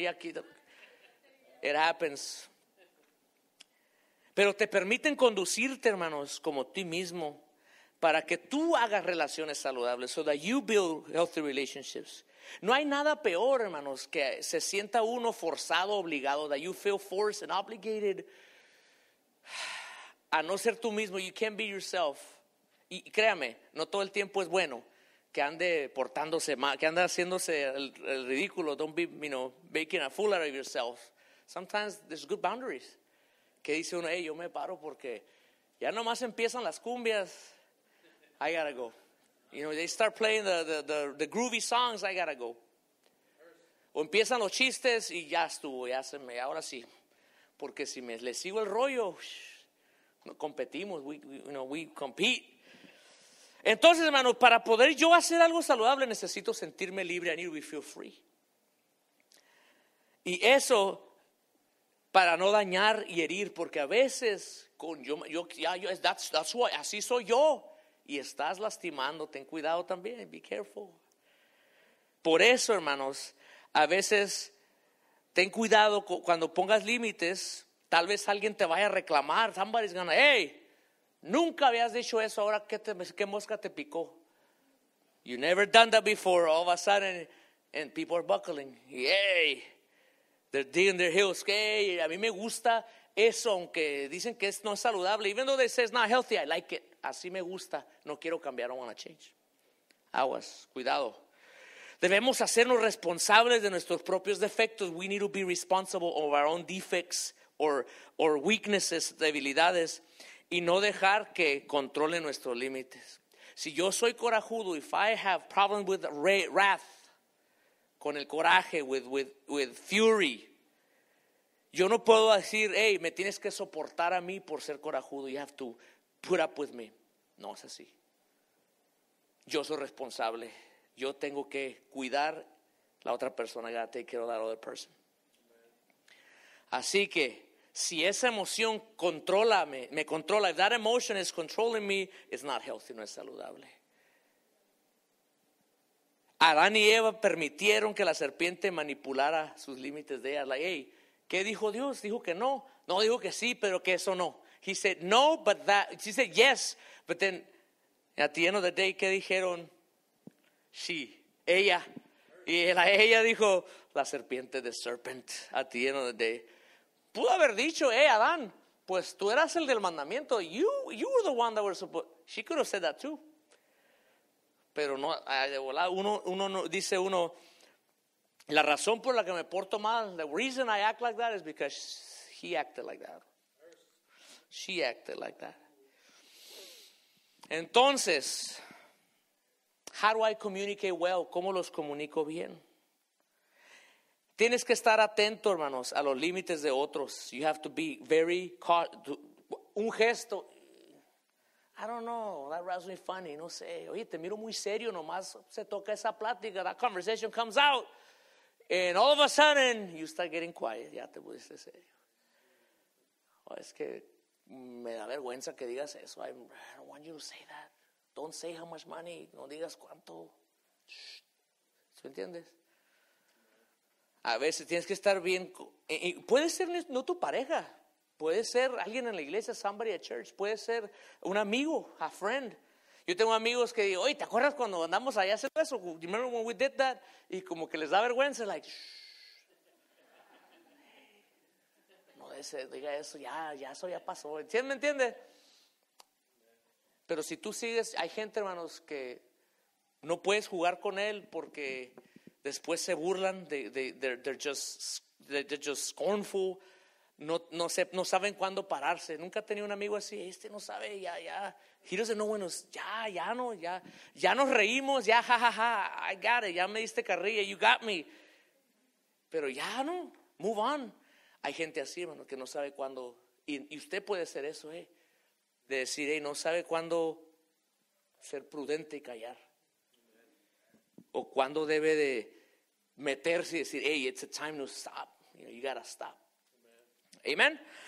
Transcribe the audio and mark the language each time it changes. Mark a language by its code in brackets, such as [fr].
[es] Ya aquí. [en] It happens. [es] Pero te permiten conducirte, hermanos, como ti mismo, para que tú hagas relaciones saludables. [en] So that you build healthy relationships. [es] No hay nada peor, hermanos, que se sienta uno forzado, obligado. [en] That you feel forced and obligated. [es] A no ser tú mismo, [en] you can't be yourself. [es] Y créame, no todo el tiempo es bueno que ande portándose mal, que ande haciéndose el ridículo. [en] Don't be, you know, making a fool out of yourself. Sometimes there's good boundaries. [es] Que dice uno, hey, yo me paro porque ya nomás empiezan las cumbias. [en] I gotta go. You know, they start playing the groovy songs, I gotta go. [es] O empiezan los chistes y ya estuvo, ya se me, ahora sí. Porque si me le sigo el rollo, competimos, [en] we compete. [es] Entonces, hermano, para poder yo hacer algo saludable, necesito sentirme libre. [en] I need to feel free. [es] Y eso para no dañar y herir, porque a veces con yo [en] that's why, [es] así soy yo, y estás lastimando. Ten cuidado también. [en] Be careful. [es] Por eso, hermanos, a veces ten cuidado cuando pongas límites. Tal vez alguien te vaya a reclamar. [en] Somebody's gonna, [es] hey, nunca habías dicho eso. Ahora, ¿qué mosca te picó? [en] You never done that before. All of a sudden, and people are buckling. Yay. They're digging their heels. [es] Hey, a mí me gusta eso, aunque dicen que no es saludable. [en] Even though they say it's not healthy, I like it. [es] Así me gusta. No quiero cambiar. [en] I don't want to change. [es] Aguas. Cuidado. Debemos hacernos responsables de nuestros propios defectos. [en] We need to be responsible of our own defects. Or weaknesses, [es] debilidades, y no dejar que controle nuestros límites. Si yo soy corajudo, [en] if I have problem with wrath, [es] con el coraje, [en] with fury, [es] yo no puedo decir, hey, me tienes que soportar a mí por ser corajudo. [en] You have to put up with me. [es] No es así. Yo soy responsable. Yo tengo que cuidar la otra persona. [en] I gotta take care of that other person. [es] Así que si esa emoción controla, me controla, [en] if that emotion is controlling me, it's not healthy, [es] no es saludable. Adán y Eva permitieron que la serpiente manipulara sus límites de ella. Like, hey, ¿qué dijo Dios? Dijo que no. No, dijo que sí, pero que eso no. [en] He said, no, but that, she said, yes. But then, at the end of the day, [es] ¿qué dijeron? [en] She, ella. [es] Y ella dijo, la serpiente, [en] the serpent, at the end of the day. [es] Pudo haber dicho, hey, Adán, pues tú eras el del mandamiento. [en] You were the one that was supposed. She could have said that too. [es] Pero no, de volada, uno dice, la razón por la que me porto mal, [en] the reason I act like that is because he acted like that. She acted like that. Entonces, how do I communicate well? [es] ¿Cómo los comunico bien? Tienes que estar atento, hermanos, a los límites de otros. [en] You have to be very caught. [es] Un gesto. [en] I don't know. That was really funny. [es] No sé. Oye, te miro muy serio. Nomás se toca esa plática. [en] That conversation comes out. And all of a sudden, you start getting quiet. [es] Ya te pusiste serio. Oh, es que me da vergüenza que digas eso. [en] I don't want you to say that. Don't say how much money. [es] No digas cuánto. ¿Se entiendes? A veces tienes que estar bien. Y puede ser no tu pareja. Puede ser alguien en la iglesia, [en] somebody at church. [es] Puede ser un amigo, [en] a friend. [es] Yo tengo amigos que digo, oye, ¿te acuerdas cuando andamos allá haciendo eso? [en] You remember when we did that? [es] Y como que les da vergüenza, [en] like, shh. [es] No, ese, diga eso, ya, ya, eso ya pasó. ¿Entiendes? ¿Me entiende? Pero si tú sigues, hay gente, hermanos, que no puedes jugar con él porque después se burlan, [en] they're just scornful, [es] no saben cuándo pararse. Nunca he tenido un amigo así, este no sabe, ya, ya. [en] He doesn't know when it's, [es] ya, ya no, ya, ya nos reímos, ya, ja, ja, ja, [en] I got it, [es] ya me diste carrilla, [en] you got me. [es] Pero ya no, [en] move on. [es] Hay gente así, hermano, que no sabe cuándo, y usted puede ser eso, de decir, hey, no sabe cuándo ser prudente y callar. O cuándo debe de meterse y decir, hey, [en] it's a time to stop, you know, you gotta stop. Amen. Amen.